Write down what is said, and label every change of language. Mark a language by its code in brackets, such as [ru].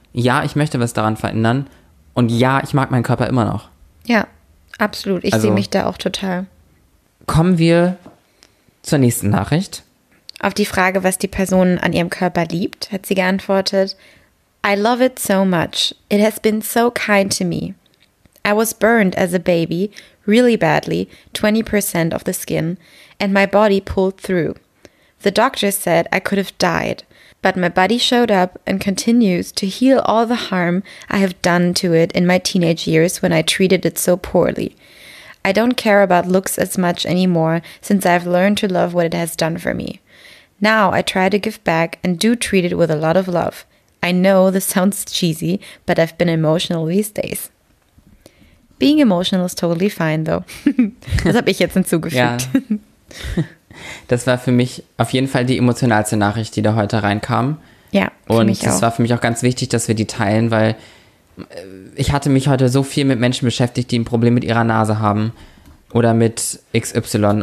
[de] Ja, ich möchte was daran verändern. Und ja, ich mag meinen Körper immer noch. Ja, absolut. Ich sehe mich da auch total. Kommen wir zur nächsten Nachricht. Auf die Frage, was die Person an ihrem Körper liebt, hat sie geantwortet: [en] I love it so much. It has been so kind to me. I was burned as a baby, really badly, 20% of the skin, and my body pulled through. The doctor said I could have died, but my body showed up and continues to heal all the harm I have done to it in my teenage years when I treated it so poorly. I don't care about looks as much anymore since I've learned to love what it has done for me. Now I try to give back and do treat it with a lot of love. I know this sounds cheesy, but I've been emotional these days. Being emotional is totally fine, though. [de] Das habe ich jetzt hinzugefügt. Ja. Das war für mich auf jeden Fall die emotionalste Nachricht, die da heute reinkam. Ja, für mich auch. Und das war für mich auch ganz wichtig, dass wir die teilen, weil ich hatte mich heute so viel mit Menschen beschäftigt, die ein Problem mit ihrer Nase haben oder mit XY.